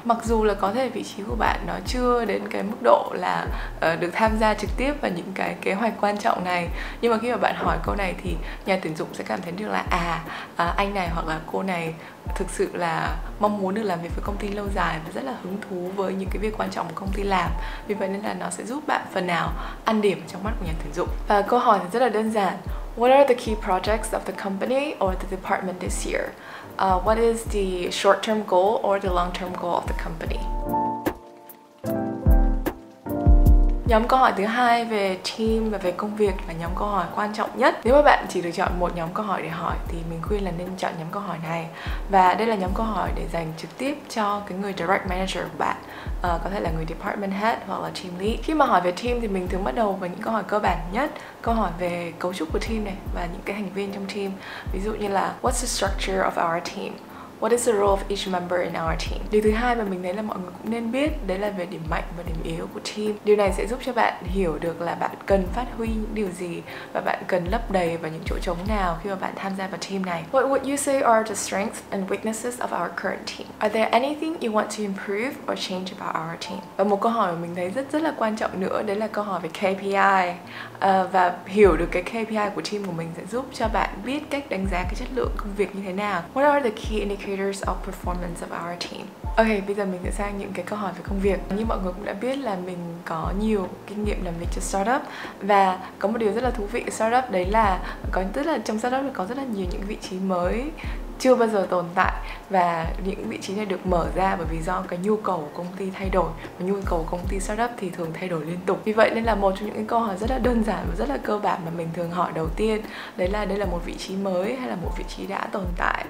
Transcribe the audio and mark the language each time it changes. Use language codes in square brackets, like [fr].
[vi] Mặc dù là có thể vị trí của bạn nó chưa đến cái mức độ là được tham gia trực tiếp vào những cái kế hoạch quan trọng này, nhưng mà khi mà bạn hỏi câu này thì nhà tuyển dụng sẽ cảm thấy được là anh này hoặc là cô này thực sự là mong muốn được làm việc với công ty lâu dài và rất là hứng thú với những cái việc quan trọng của công ty làm. Vì vậy nên là nó sẽ giúp bạn phần nào ăn điểm trong mắt của nhà tuyển dụng. Và câu hỏi thì rất là đơn giản. [en] What are the key projects of the company or the department this year? What is the short-term goal or the long-term goal of the company? [vi] Nhóm câu hỏi thứ hai về team và về công việc là nhóm câu hỏi quan trọng nhất. Nếu mà bạn chỉ được chọn một nhóm câu hỏi để hỏi thì mình khuyên là nên chọn nhóm câu hỏi này. Và đây là nhóm câu hỏi để dành trực tiếp cho cái người [en] direct manager [vi] của bạn, có thể là người [en] department head [vi] hoặc là [en] team lead. [vi] Khi mà hỏi về team thì mình thường bắt đầu với những câu hỏi cơ bản nhất, câu hỏi về cấu trúc của team này và những cái thành viên trong team. Ví dụ như là [en] what's the structure of our team? What is the role of each member in our team? [vi] Điều thứ hai mà mình thấy là mọi người cũng nên biết đấy là về điểm mạnh và điểm yếu của team. Điều này sẽ giúp cho bạn hiểu được là bạn cần phát huy những điều gì và bạn cần lấp đầy vào những chỗ trống nào khi mà bạn tham gia vào team này. [en] What would you say are the strengths and weaknesses of our current team? Are there anything you want to improve or change about our team? [vi] Và một câu hỏi mà mình thấy rất rất là quan trọng nữa đấy là câu hỏi về KPI. Và hiểu được cái KPI của team của mình sẽ giúp cho bạn biết cách đánh giá cái chất lượng công việc như thế nào. [en] What are the key indicators of performance of our team? [vi] Ok, bây giờ mình sẽ sang những cái câu hỏi về công việc. Như mọi người cũng đã biết là mình có nhiều kinh nghiệm làm việc cho startup. Và có một điều rất là thú vị startup đấy là có rất là trong startup có rất là nhiều những vị trí mới chưa bao giờ tồn tại, và những vị trí này được mở ra bởi vì do cái nhu cầu của công ty thay đổi, và nhu cầu của công ty startup thì thường thay đổi liên tục. Vì vậy nên là một trong những câu hỏi rất là đơn giản và rất là cơ bản mà mình thường hỏi đầu tiên đấy là đây là một vị trí mới hay là một vị trí đã tồn tại.